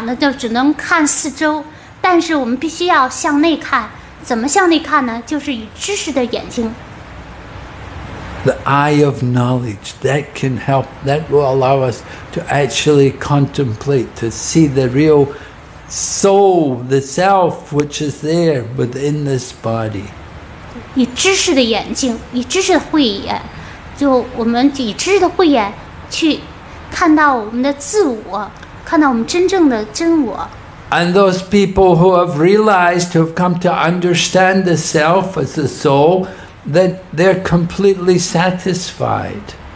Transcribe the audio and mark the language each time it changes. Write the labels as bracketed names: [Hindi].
[Chinese] 同样的呢，我们的眼睛呢，就是看长得就只能看四周。但是我们必须要向内看，怎么向内看呢？就是以知识的眼睛。 [English] The eye of knowledge that can help, that will allow us to actually contemplate, to see the real soul, the self, which is there within this body. [Chinese] 以知识的眼睛，以知识的慧眼，就我们以知识的慧眼去看到我们的自我，看到我们真正的真我。 [English] And those people who have realized, who have come to understand the self as the soul, that they're completely satisfied.